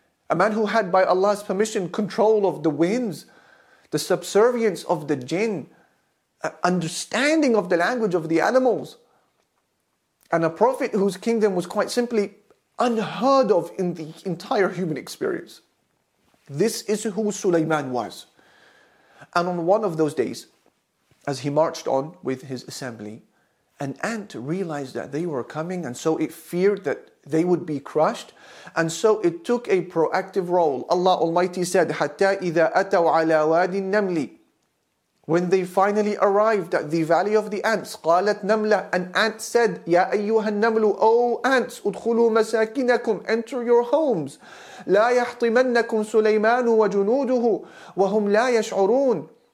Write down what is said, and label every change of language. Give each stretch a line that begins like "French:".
English: A man who had, by Allah's permission, control of the winds, the subservience of the jinn, understanding of the language of the animals, and a prophet whose kingdom was quite simply unheard of in the entire human experience. This is who Sulaiman was. And on one of those days, as he marched on with his assembly, an ant realized that they were coming, and so it feared that they would be crushed. And so it took a proactive role. Allah Almighty said,
Arabic: حَتَّى إِذَا أَتَوْ عَلَى وَادِ النَّمْلِ.
English: When they finally arrived at the valley of the ants,
Arabic: قَالَتْ نَمْلَ.
English: An ant said,
Arabic: يَا أَيُّهَا النَّمْلُ.
English: O ants,
Arabic: ادْخُلُوا مَسَاكِنَكُمْ.
English: Enter your homes.
Arabic: لَا يَحْطِمَنَّكُمْ سُلَيْمَانُ وَجُنُودُهُ وَهُمْ لَا يَشْعُرُونَ.